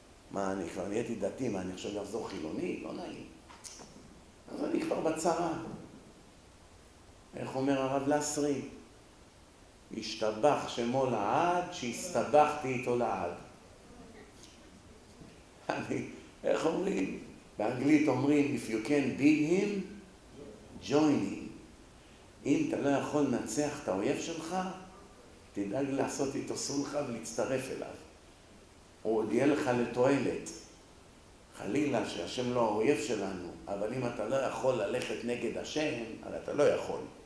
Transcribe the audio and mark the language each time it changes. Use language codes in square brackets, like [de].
[he] מה, אני כבר נהייתי דתי, מה, אני חושב לחזור חילוני? לא נעים. אז אני כבר בצרה. איך אומר הרב לסרי? השתבח שמו לעד, שהסתבחתי איתו לעד. איך אומרים? באנגלית אומרים, [en] if you can beat him, join him. [he] אם אתה לא יכול לנצח את האויב שלך, תדאג לעשות איתו סולחה ולהצטרף אליו. הוא עוד יהיה לך לתועלת. חלילה שהשם לא האויב שלנו, אבל אם אתה לא יכול ללכת נגד השם, אז אתה לא יכול.